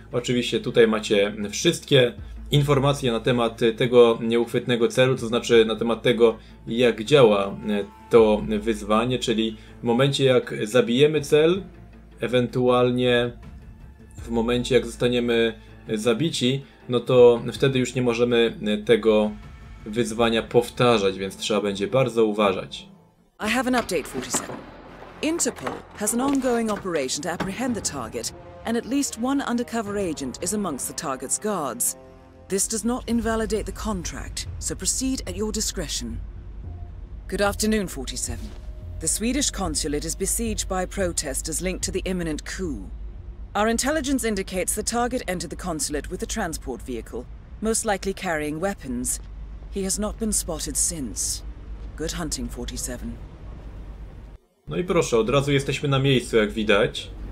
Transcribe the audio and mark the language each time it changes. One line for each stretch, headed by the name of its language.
Polish: Oczywiście tutaj macie wszystkie informacje na temat tego nieuchwytnego celu, to znaczy na temat tego, jak działa to wyzwanie, czyli w momencie jak zabijemy cel, ewentualnie w momencie jak zostaniemy zabici, no to wtedy już nie możemy tego wyzwania powtarzać, więc trzeba będzie bardzo uważać.
English: I have an update, 47. Interpol has an ongoing operation to apprehend the target and at least one undercover agent is amongst the target's guards. This does not invalidate the contract, so proceed at your discretion. Good afternoon, 47. The Swedish consulate is besieged by protesters linked to the imminent coup. Our intelligence indicates the target entered the consulate with a transport vehicle, most likely carrying weapons. He has not been spotted since. Good hunting, 47.
Polish: No i proszę, od razu jesteśmy na miejscu, jak widać.